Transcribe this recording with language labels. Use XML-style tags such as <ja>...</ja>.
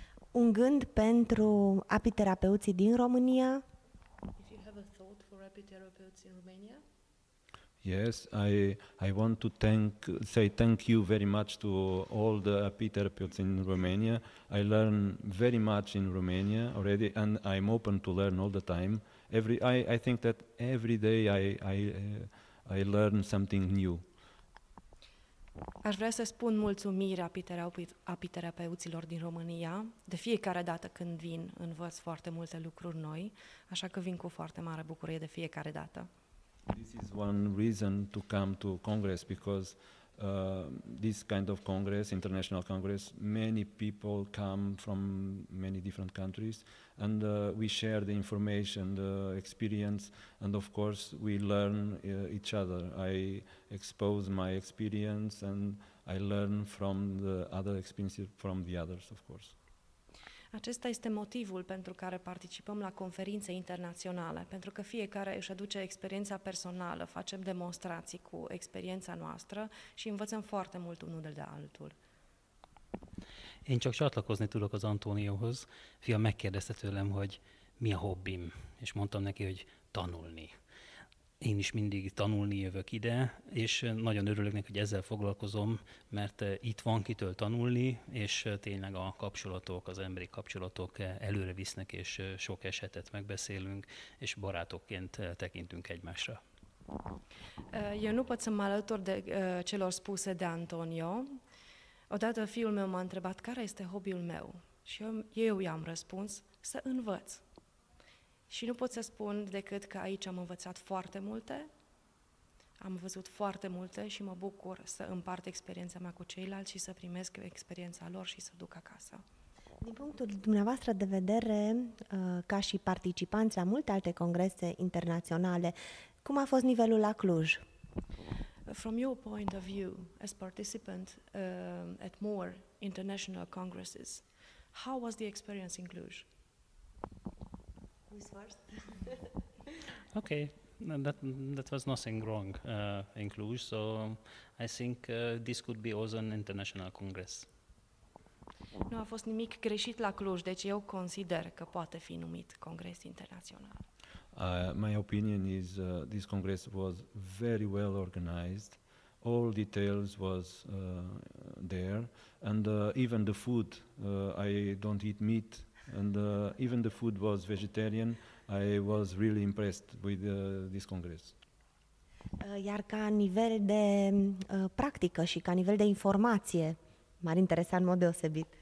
<ro>Un gând pentru apiterapeuții din România.</ro> <en>If you have a thought for apiterapeuts in Romania. Yes, I want to thank you very much to all the apitherapists in Romania. I learn very much in Romania already, and I'm open to learn all the time. I think that every day I learn something new.</en> <ro>Aș vrea să spun mulțumire apiterapeuților din România. De fiecare dată când vin, învăț foarte multe lucruri noi, așa că vin cu foarte mare bucurie de fiecare dată.</ro> <en>This is one reason to come to Congress, because this kind of Congress, International Congress, many people come from many different countries, and we share the information, the experience, and of course we learn each other. I expose my experience and I learn from the other experiences from the others, of course.</en> <ro>Acesta este motivul pentru care participăm la conferințe internaționale, pentru că fiecare își aduce experiența personală, facem demonstrații cu experiența noastră și învățăm foarte mult unul de altul.</ro> <hu>Én csak csatlakozni tudok az Antonióhoz. Fia megkérdezte tőlem, hogy mi a hobbim, és mondtam neki, hogy tanulni. Én is mindig tanulni jövök ide, és nagyon örülök neki, hogy ezzel foglalkozom, mert itt van kitől tanulni, és tényleg a kapcsolatok, az emberi kapcsolatok előre visznek, és sok esetet megbeszélünk, és barátokként tekintünk egymásra.</hu> <ro>Eu nu pot să mă alătur de celor spuse de Antonio. Odată fiul meu m-a întrebat care este hobby-ul meu și eu i-am răspuns să învăț. Și nu pot să spun decât că aici am învățat foarte multe, am văzut foarte multe și mă bucur să împart experiența mea cu ceilalți și să primesc experiența lor și să duc acasă. Din punctul dumneavoastră de vedere, ca și participanți la multe alte congrese internaționale, cum a fost nivelul la Cluj?</ro> <en>From your point of view, as participant at more international congresses, how was the experience in Cluj? Who's first? Okay, that was nothing wrong in Cluj, so I think this could be also an international congress.</en> <ro>Nu a fost nimic greșit la Cluj, deci eu consider că poate fi numit congres internațional.</ro> <en>My opinion is this congress was very well organized. All details was there, and even the food. I don't eat meat, and even the food was vegetarian. I was really impressed with this congress.</en> <ro>Iar ca nivel de practică și ca nivel de informație, m-ar interesa în mod deosebit.</ro>